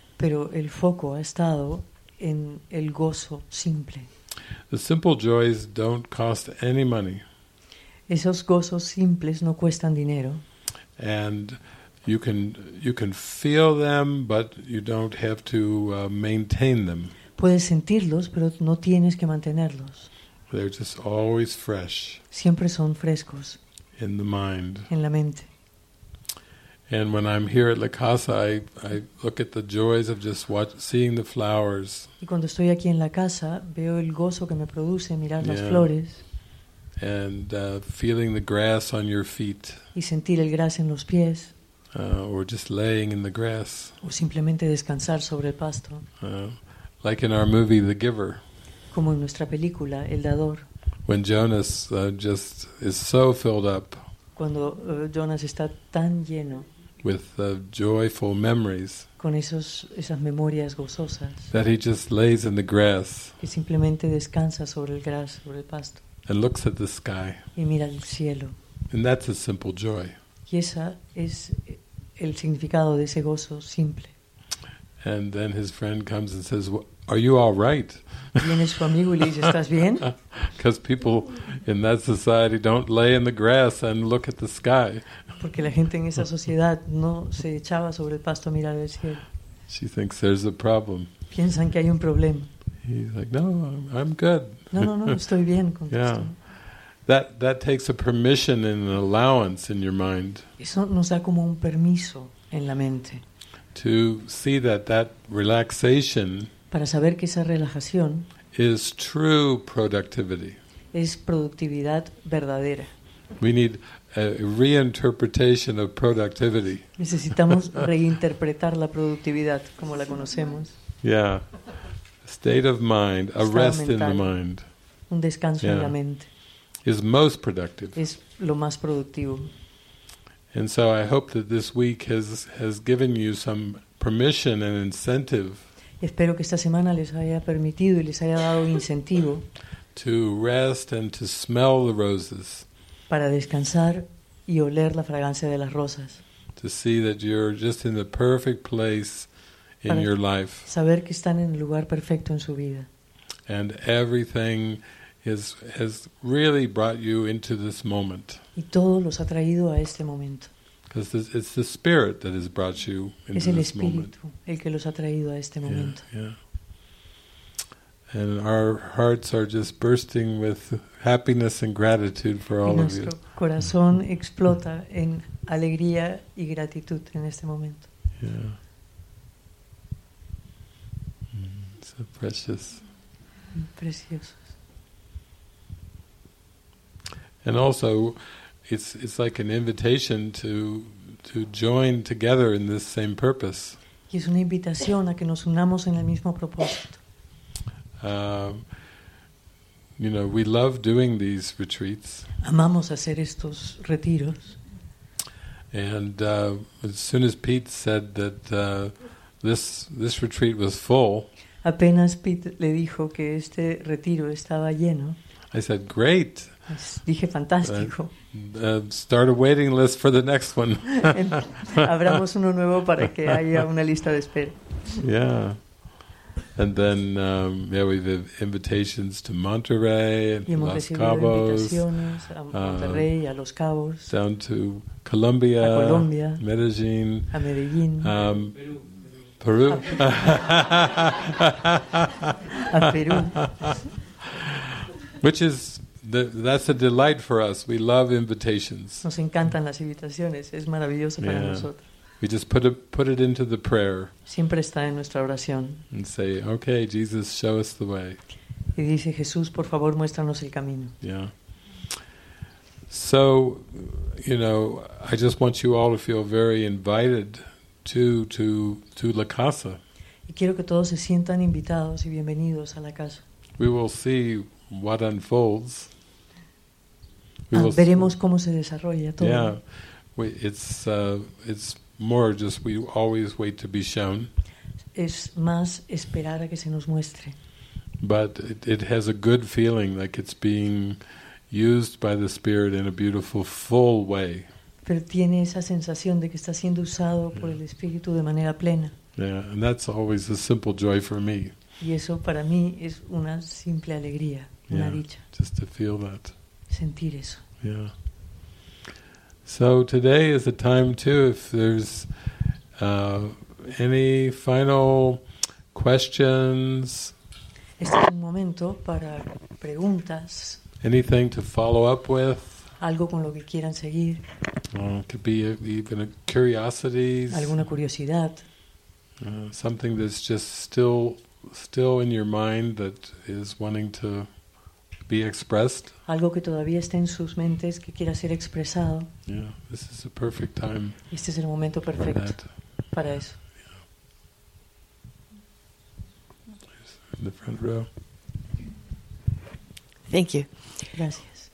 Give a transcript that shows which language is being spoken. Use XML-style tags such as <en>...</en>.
<es>Pero el foco ha estado en el gozo simple.</es> <en>The simple joys don't cost any money.</en> <es>Esos gozos simples no cuestan dinero.</es> <en>And you can feel them, but you don't have to maintain them.</en> <es>Puedes sentirlos, pero no tienes que mantenerlos.</es> <en>They're just always fresh.</en> <es>Siempre son frescos.</es> <en>In the mind.</en> <es>En la mente.</es> <en>And when I'm here at La Casa, I look at the joys of just seeing the flowers.</en> <es>Y cuando estoy aquí en la casa, veo el gozo que me produce mirar las flores.</es> <en>And feeling the grass on your feet.</en> <es>Y sentir el gras en los pies.</es> <en>Or just laying in the grass.</en> <es>O simplemente descansar sobre el pasto.</es> <en>Like in our movie The Giver.</en> <es>Como en nuestra película El Dador.</es> <en>When Jonas just is so filled up.</en> <es>Cuando Jonas está tan lleno.</es> <en>With joyful memories.</en> <es>Con esas memorias gozosas.</es> <en>That he just lays in the grass.</en> <es>Que simplemente descansa sobre el gras, sobre el pasto.</es> <en>And looks at the sky.</en> <es>Y mira el cielo.</es> <en>And that's a simple joy.</en> <es>Y esa es el significado de ese gozo simple.</es> <en>And then his friend comes and says, well, "Are you all right?"</en> <es>Viene su amigo y le dice, "¿Estás bien?"</es> <en>Because people in that society don't lay in the grass and look at the sky.</en> <es>Porque la gente en esa sociedad no se echaba sobre el pasto a mirar el cielo.</es> <en>She thinks there's a problem.</en> <es>Piensan que hay un problema.</es> <en>He's like, "No, I'm good."</en> <es>No, estoy bien.</es> <en>Yeah. That takes a permission and an allowance in your mind.</en> <es>Eso nos da como un permiso en la mente.</es> <en>To see that relaxation.</en> <es>Para saber que esa relajación</es> <en>is true productivity.</en> <es>Es productividad verdadera.</es> <en>We need a reinterpretation of productivity.</en> <es>Necesitamos reinterpretar la productividad como la conocemos.</es> <en>Yeah. State of mind, a</en> <es>estado</es> <en>rest</en> <es>mental,</es> <en>in the mind.</en> <es>Un descanso en la mente.</es> <en>Is most productive.</en> <es>Es lo más productivo.</es> <en>And so I hope that this week has given you some permission and incentive.</en> <es>Espero que esta semana les haya permitido y les haya dado incentivo</es> <en>to rest and to smell the roses.</en> <es>Para descansar y oler la fragancia de las rosas.</es> <en>To see that you're just in the perfect place in your life.</en> <es>Saber que están en el lugar perfecto en su vida.</es> <en>And everything has really brought you into this moment.</en> <es>Y todo los ha traído a este momento.</es> <en>Because it's the spirit that has brought you into this moment.</en> <es>Es el espíritu el que los ha traído a este momento.</es> <en>Yeah. And our hearts are just bursting with happiness and gratitude for all of you.</en> <es>Nuestro corazón explota en alegría y gratitud en este momento.</es> <en>Yeah. So precious.</en> <es>Precioso.</es> <en>And also, it's like an invitation to join together in this same purpose.</en> <es>Y es una invitación a que nos unamos en el mismo propósito.</es> <en>You know, we love doing these retreats.</en> <es>Amamos hacer estos retiros.</es> <en>And as soon as Pete said that this retreat was full.</en> <es>Apenas Pete le dijo que este retiro estaba lleno.</es> <en>I said, "Great."</en> <es>Dije, fantástico.</es> <en>Start a waiting list for the next one.</en> <es>Abramos uno nuevo para que haya una lista de espera.</es> <en>Yeah. And then we have invitations to Monterrey and</en> <es>y hemos</es> <en>Los Cabos.</en> <es>Invitaciones a Monterrey y a Los Cabos.</es> <en>Down to Colombia.</en> <es>A Colombia.</es> <en>Medellín.</en> <es>A Medellín.</es> <en>Peru.</en> <es>A Peru.</es> <en>Which is that's a delight for us. We love invitations.</en> <es>Nos encantan las invitaciones. Es maravilloso para nosotros.</es> <en>We just put it into the prayer.</en> <es>Siempre está en nuestra oración.</es> <en>And say, "Okay, Jesus, show us the way."</en> <es>Y dice, Jesús, por favor, muéstranos el camino.</es> <en>Yeah. So, you know, I just want you all to feel very invited to la casa.</en> <es>Y quiero que todos se sientan invitados y bienvenidos a la casa.</es> <en>We will see what unfolds.</en> <es>Veremos cómo se desarrolla todo.</es> <en>Yeah, it's more just we always wait to be shown.</en> <es>Es más esperar a que se nos muestre.</es> <en>But it has a good feeling, like it's being used by the Spirit in a beautiful, full way.</en> <es>Pero tiene esa sensación de que está siendo usado por el Espíritu de manera plena.</es> <en>Yeah, and that's always a simple joy for me.</en> <es>Y eso para mí es una simple alegría.</es> <en>Yeah, just to feel that.</en> <es>Sentir eso.</es> <en>Yeah. So today is a time too, if there's any final questions.</en> <es>Este es un momento para preguntas.</es> <en>Anything to follow up with.</en> <es>Algo con lo que quieran seguir.</es> <en>Could be even a curiosities.</en> <es>Alguna curiosidad.</es> <en>Something that's just still in your mind that is wanting to be expressed.</en> <es>Algo que todavía esté en sus mentes que quiera ser expresado.</es> <en>Yeah, this is a perfect time.</en> <es>Este es el momento perfecto para eso.</es> <en>Yeah. In the front row. Thank you.</en> <es>Gracias.</es>